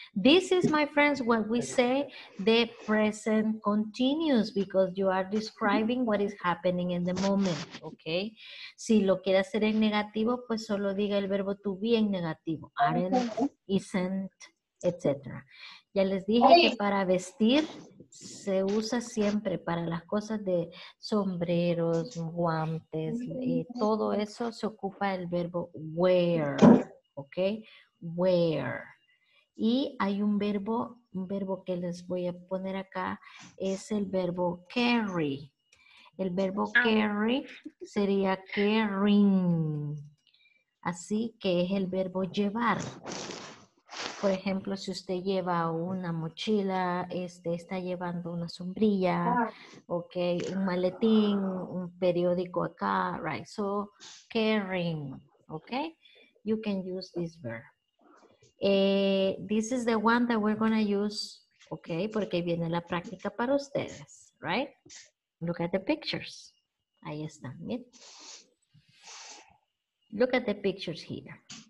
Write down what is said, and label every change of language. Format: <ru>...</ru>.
<en>This is, my friends, what we say, the present continuous, because you are describing what is happening in the moment. Okay?</en> <es>Si lo quiere hacer en negativo, pues solo diga el verbo to be en negativo. Aren't, isn't, etc. Ya les dije que para vestir se usa siempre para las cosas de sombreros, guantes, y todo eso se ocupa el verbo wear, ¿ok? Wear. Y hay un verbo que les voy a poner acá, es el verbo carry. El verbo carry sería carrying. Así que es el verbo llevar. Por ejemplo, si usted lleva una mochila, está llevando una sombrilla, okay, un maletín, un periódico acá, right?</es> <en>So, carrying, okay? You can use this verb. This is the one that we're going to use, okay?</en> <es>Porque viene la práctica para ustedes, right?</es> <en>Look at the pictures.</en> <es>Ahí están, mire.</es> <en>Look at the pictures here.</en>